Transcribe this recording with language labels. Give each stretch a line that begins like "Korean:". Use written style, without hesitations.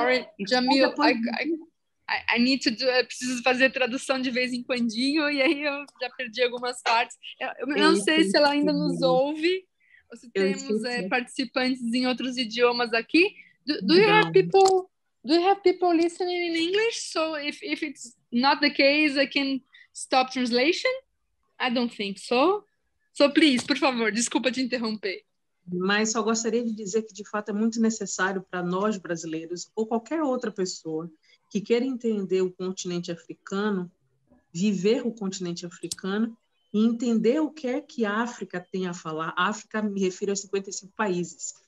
Portuguese: Sorry, Jamil, eu preciso fazer tradução de vez em quando e aí eu já perdi algumas partes. Eu não sei se ela ainda nos ouve, ou se temos participantes em outros idiomas aqui.
English: Do you have people listening in English? So if it's not the case, I can stop translation? I don't think so. So please,
Portuguese: por favor, desculpa te interromper. Mas só gostaria de dizer que, de fato, é muito necessário para nós brasileiros ou qualquer outra pessoa que queira entender o continente africano, viver o continente africano e entender o que é que a África tem a falar. A África, me refiro a 55 países.